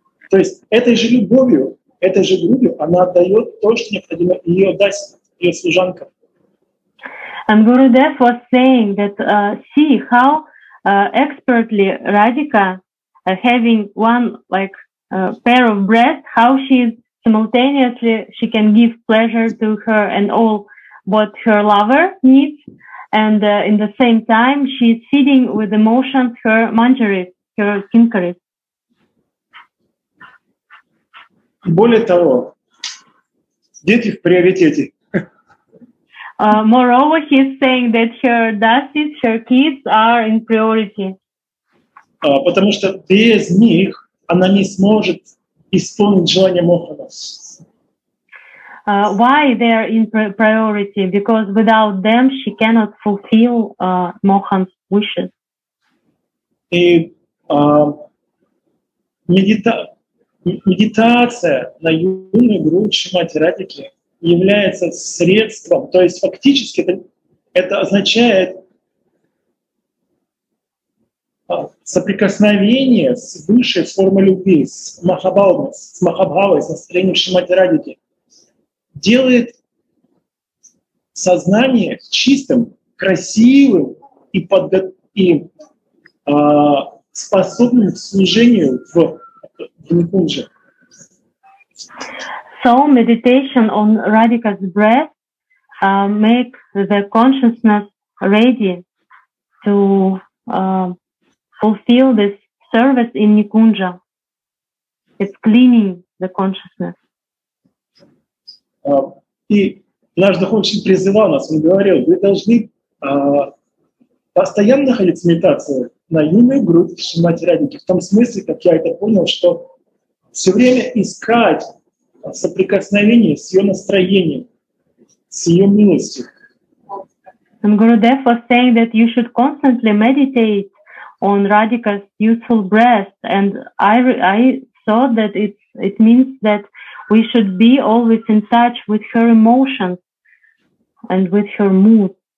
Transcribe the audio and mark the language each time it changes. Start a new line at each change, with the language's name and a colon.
Russian: То есть этой же любовью, этой же грудью она отдает то, что необходимо ее дать, ее служанкам.
English: And Gurudev was saying that see how expertly Radhika, having one like pair of breasts, how she is simultaneously she can give pleasure to her and all what her lover needs, and in the same time she is feeding with emotions her manjaris, her kinkaris.
Russian: Более того, дети в приоритете.
English: Moreover, he's saying that her dasis, her kids are in priority.
Russian: Потому что без них она не сможет исполнить желание Мохана.
English: Why they are in priority? Because without them she cannot fulfill Mohan's wishes.
Russian: И медитация на юную грудь Шри Мати Радхики является средством, то есть фактически это означает соприкосновение с высшей формой любви, с махабхавой, с настроением Шри Мати Радхики, делает сознание чистым, красивым и, способным к служению в Нипунже.
English: So meditation on Radhika's breath make the consciousness ready to fulfill this service in Nikunja. It's cleaning the consciousness.
Russian: И наш духовщик призывал нас, он говорил, вы должны постоянно ходить в медитацию на юную грудь Шри Мати Радхики, в том смысле, как я это понял, что все время искать соприкосновение с ее настроением, с ее милостью.
English: Gurudev was saying that you should constantly meditate on Radhika's youthful breath, and I thought that it means that we should be always in touch with her emotions and with her mood.